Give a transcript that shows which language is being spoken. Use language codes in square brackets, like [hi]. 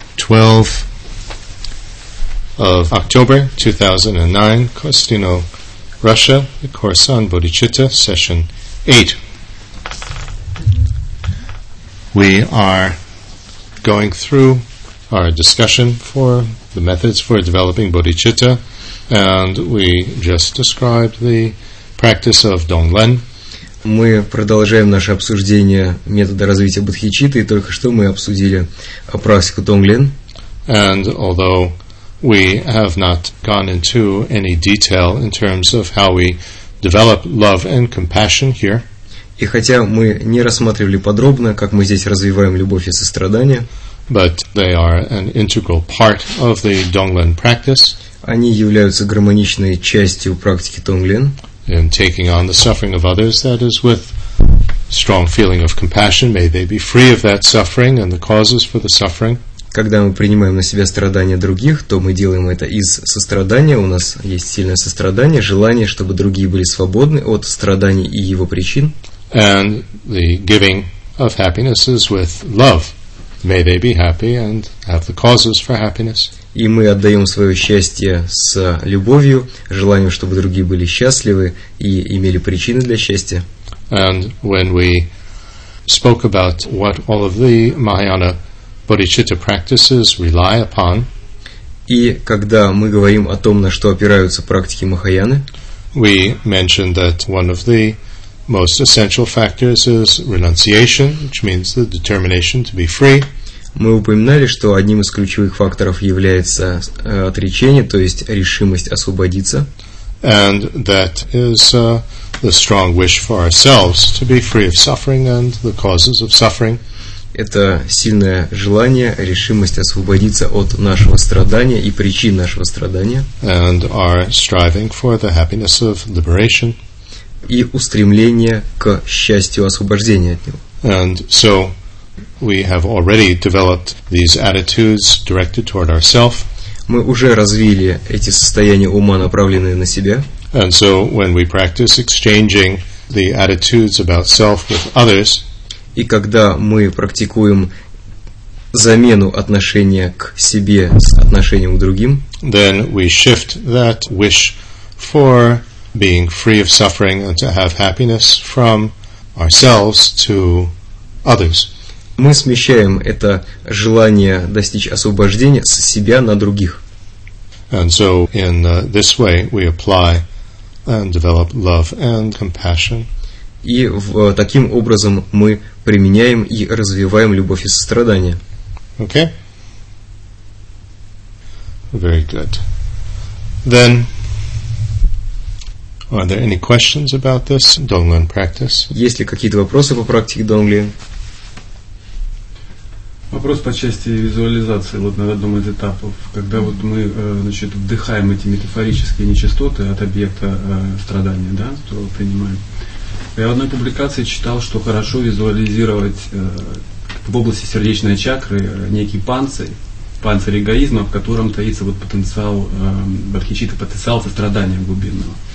[en] 12th of October 2009, Kostino, Russia, the course on bodhicitta, session 8. We are going through our discussion for the methods for developing bodhicitta, and we just described the practice of donglen. [ru] Мы продолжаем наше обсуждение метода развития бодхичитты, и только что мы обсудили практику донглен. [en] And although we have not gone into any detail in terms of how we develop love and compassion here, [ru] и хотя мы не рассматривали подробно, как мы здесь развиваем любовь и сострадание, [en] but they are an integral part of the donglen practice. [ru] Они являются гармоничной частью практики донглен. [en] In taking on the suffering of others, that is with strong feeling of compassion, may they be free of that suffering and the causes for the suffering. [ru] Когда мы принимаем на себя страдания других, то мы делаем это из сострадания, у нас есть сильное сострадание, желание, чтобы другие были свободны от страданий и его причин. [en] And the giving of happiness is with love. May they be happy and have the causes for happiness. [ru] И мы отдаем свое счастье с любовью, желанием, чтобы другие были счастливы и имели причины для счастья. [en] And when we spoke about what all of the Mahayana bodhicitta practices rely upon, [ru] и когда мы говорим о том, на что опираются практики Махаяны, [en] we mentioned that one of the most essential factors is renunciation, which means the determination to be free. [ru] Мы упоминали, что одним из ключевых факторов является отречение, то есть решимость освободиться. [en] And that is the strong wish for ourselves to be free of suffering and the causes of suffering. [ru] Это сильное желание, решимость освободиться от нашего страдания и причин нашего страдания. [en] And our striving for the happiness of liberation. [ru] И устремление к счастью освобождения от него. [en] And so we have already developed these attitudes directed toward ourselves. [ru] Мы уже развили эти состояния ума, направленные на себя. [en] And so when we practice exchanging the attitudes about self with others, [ru] и когда мы практикуем замену отношения к себе с отношением к другим, [en] then we shift that wish for being free of suffering and to have happiness from ourselves to others. [ru] Мы смещаем это желание достичь освобождения с себя на других. [en] And so in this way we apply and develop love and compassion. [ru] И таким образом мы применяем и развиваем любовь и сострадание. [en] Okay. Very good. Then are there any questions about this donglen practice? [ru] Есть ли какие-то вопросы по практике донгли? Вопрос по части визуализации вот на одном из этапов. Когда вот мы значит, вдыхаем эти метафорические нечистоты от объекта страдания, да, то принимаем. Я в одной публикации читал, что хорошо визуализировать в области сердечной чакры некий панцирь эгоизма, в котором таится вот потенциал бодхичитты, потенциал сострадания глубинного.